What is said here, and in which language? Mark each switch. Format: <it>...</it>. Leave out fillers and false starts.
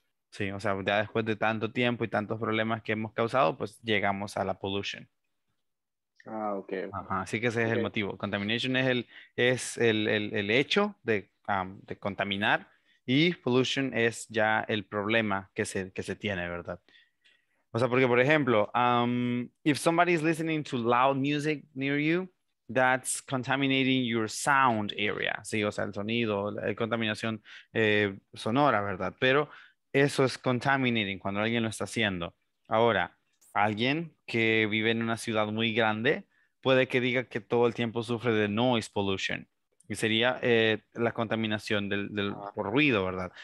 <es>Sí, o sea, ya después de tanto tiempo y tantos problemas que hemos causado, pues llegamos a la pollution. Ah, ok. Ajá, así que ese es el motivo. Contamination es el hecho de contaminar, y pollution es ya el problema que se tiene, ¿verdad? O sea, porque, por ejemplo,</es> <en>if somebody is listening to loud music near you, that's contaminating your sound area.</en> <es>Sí, o sea, el sonido, la contaminación sonora, ¿verdad? Pero eso es contaminating cuando alguien lo está haciendo. Ahora, alguien que vive en una ciudad muy grande puede que diga que todo el tiempo sufre de noise pollution. Y sería la contaminación por ruido, ¿verdad?</es>